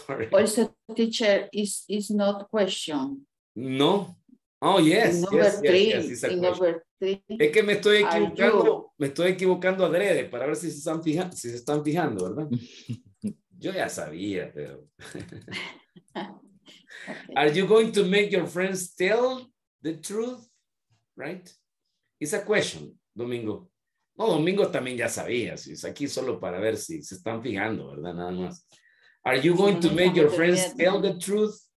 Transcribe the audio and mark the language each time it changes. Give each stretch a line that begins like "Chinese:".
English: Also, teacher, is not question. No. Oh, yes. Number three.
Spanish: Es que me estoy equivocando. Me estoy equivocando adrede para ver si se están fijando, ¿verdad? Yo ya sabía, pero. Okay.
English: Are you going to make your friends tell the truth? Right? It's a question, Domingo. No,
Spanish: Domingo también ya sabía. Si es aquí solo para ver si se están fijando, ¿verdad? Nada más.
English: Are you going to make your friends tell the truth?